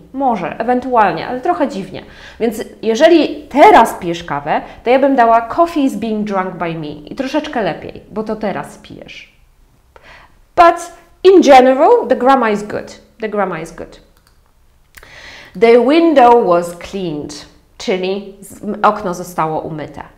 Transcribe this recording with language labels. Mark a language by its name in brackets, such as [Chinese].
[Polish] Może, ewentualnie, ale trochę dziwnie. Więc jeżeli teraz pijesz kawę, to ja bym dała [English] coffee is being drunk by me. [Polish] I troszeczkę lepiej, bo to teraz pijesz. [English] But in general, the grammar is good. The grammar is good. The window was cleaned. [Polish] Czyli okno zostało umyte.